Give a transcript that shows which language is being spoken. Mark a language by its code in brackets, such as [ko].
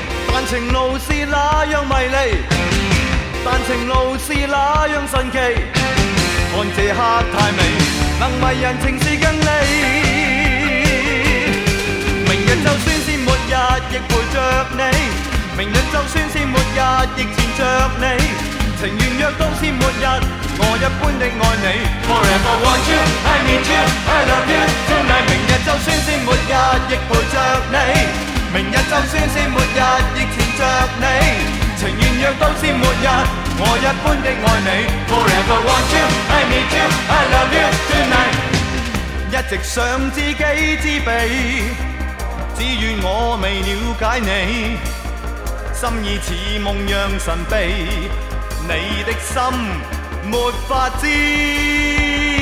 [yue] 但情路是那样迷离，但情路是那样神奇，看这刻太美，能迷人情是更美。明日就算是末日亦陪着你，明日就算是末日亦缠着你，情愿若到是末日，我一般的爱你。 [en] Forever want you, I need you, I love you tonight。 [yue] 明日就算是末日亦陪着你，明日就算是末日亦缠着你，情愿若到是末日，我一般的爱你。 [en] Forever want you, I need you, I love you tonight。 [yue] 一直想知己知彼，只愿我未了解你，心意似梦样神秘，你的心没法知。